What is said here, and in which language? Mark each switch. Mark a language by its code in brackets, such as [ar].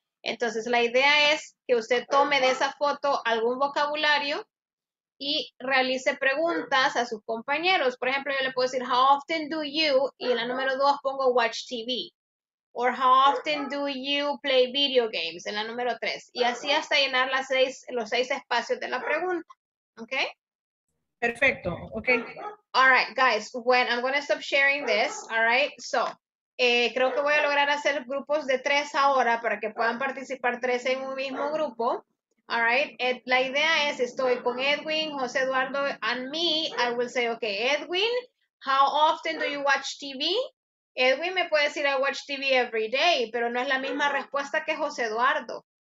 [es] Entonces, la idea es que usted tome de esa foto algún vocabulario y realice preguntas a sus compañeros. Por ejemplo, yo le puedo decir, [en] how often do you, [es] y en la número 2 pongo [en] watch TV. Or, how often do you play video games, [es] en la número 3. Y así hasta llenar las seis, los 6 espacios de la pregunta, okay? Perfecto, okay. [en] All right, guys, when I'm going to stop sharing this, all right? [es] So, creo que voy a lograr hacer grupos de 3 ahora para que puedan participar 3 en un mismo grupo. [en] All right, [es] la idea es, estoy con [en] Edwin, José Eduardo, and me, I will say, okay, Edwin, how often do you watch TV? [es] Edwin me puede decir, [en] I watch TV every day, [es] pero no es la misma respuesta que José Eduardo.